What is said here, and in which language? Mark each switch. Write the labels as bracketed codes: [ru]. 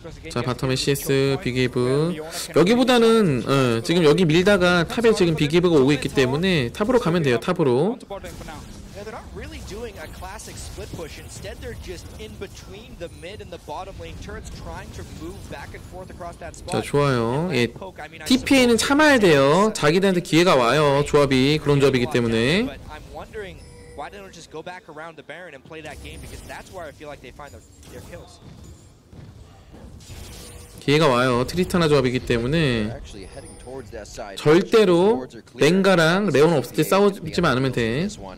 [ko] 자 바텀의 CS 빅이브 여기보다는 지금 여기 밀다가 탑에 지금 빅이브가 오고 있기 때문에 탑으로 가면 돼요 탑으로. [en] They're not really doing a classic split push. Instead, they're just in between the mid and the bottom lane turrets, trying to move back and forth across that spot. [ko] 자 좋아요. 예, TPA는 참아야 돼요. 자기들한테 기회가 와요. 조합이 그런 조합이기 때문에. [en] But I'm wondering why they don't just go back around the Baron and play that game because that's where I feel like they find their kills. [ko] 기회가 와요. 트리타나 조합이기 때문에 절대로 랭가랑 레온 없을 때 싸우지 않으면 돼.